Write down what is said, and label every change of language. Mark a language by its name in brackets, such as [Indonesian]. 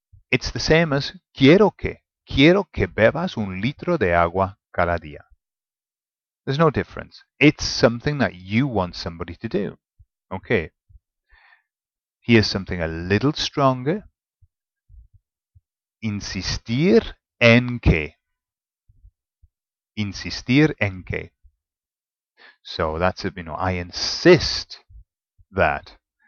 [English] It's the same as [Spanish] quiero que. Quiero que bebas 1 litro de agua cada día. [English] There's no difference. It's something that you want somebody to do. Okay? Here's something a little stronger. [Spanish] Insistir en que. Insistir en que. [English] So that's, you know, I insist that.